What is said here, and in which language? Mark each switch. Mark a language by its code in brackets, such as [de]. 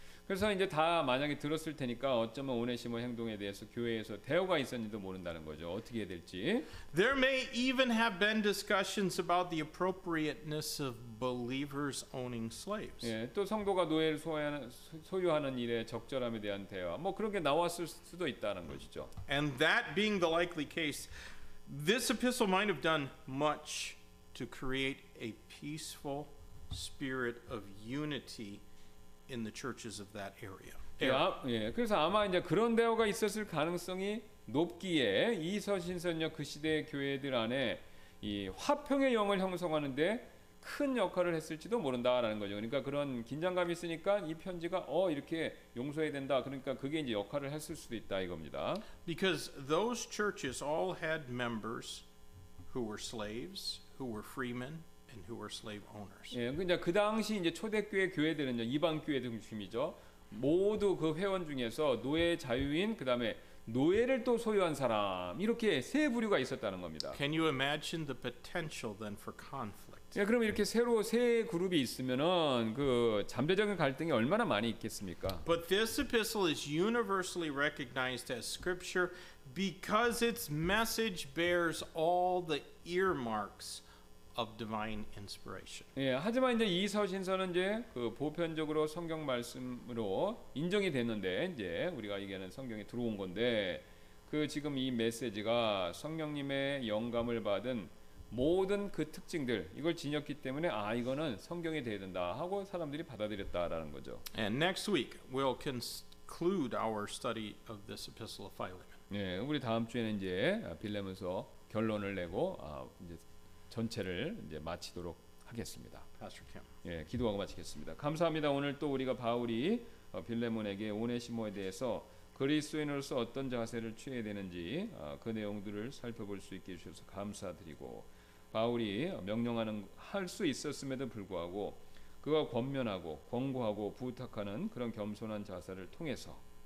[ko] 그래서 이제 다 만약에 들었을 테니까 어쩌면 오네시모 행동에 대해서 교회에서 대화가 있었는지도 모른다는 거죠. 어떻게 해야 될지. [en] There may even have been discussions about the appropriateness of believers owning slaves. [ko] 예, 또 성도가 노예를 소유하는 일의 적절함에 대한 대화. 뭐 그런 게 나왔을 수도 있다는 것이죠. [en] And that being the likely case, this epistle might have done much to create a peaceful spirit of unity in the churches of that area. [ko] 예, 그래서 아마 이제 그런 대화가 있었을 가능성이 높기에 이 서신서는요 그 시대의 교회들 안에 이 화평의 영을 형성하는 데 큰 역할을 했을지도 모른다라는 거죠. 그러니까 그런 긴장감이 있으니까 이 편지가 이렇게 용서해야 된다. 그러니까 그게 이제 역할을 했을 수도 있다 이겁니다. [en] Because those churches all had members who were slaves, who were freemen. And who were slave owners? [ko] 예, 근데 그 당시 이제 초대교회 교회들은요 이방 교회 중심이죠. 모두 그 회원 중에서 노예 자유인, 그 다음에 노예를 또 소유한 사람 이렇게 세 부류가 있었다는 겁니다. [en] Can you imagine the potential then for conflict? [ko] 예, 그럼 이렇게 새로 세 그룹이 있으면은 그 잠재적인 갈등이 얼마나 많이 있겠습니까? [en] But this epistle is universally recognized as scripture because its message bears all the earmarks. Of divine inspiration. [ko] 예, 하지만 이제 이 서신서는 이제 그 보편적으로 성경 말씀으로 인정이 됐는데 이제 우리가 얘기하는 성경에 들어온 건데 그 지금 이 메시지가 성령님의 영감을 받은 모든 그 특징들 이걸 지녔기 때문에 이거는 성경에 돼야 된다 하고 사람들이 받아들였다라는 거죠. [en] And next week we'll conclude our study of this epistle of Philemon. [ko] 예, 우리 다음 주에는 이제 빌레몬서 결론을 내고 이제 전체를 이제 마치도록 하겠습니다. 예, 기도하고 마치겠습니다. 감사합니다. 오늘 또 우리가 바울이 빌레몬에게 오네시모에 대해서 그리스도인으로서 어떤 자세를 취해야 되는지 그 내용들을 살펴볼 수 있게 해주셔서 감사드리고 바울이 명령하는 할 수 있었음에도 불구하고 그가 권면하고 권고하고 부탁하는 그런 겸손한 자세를 통해서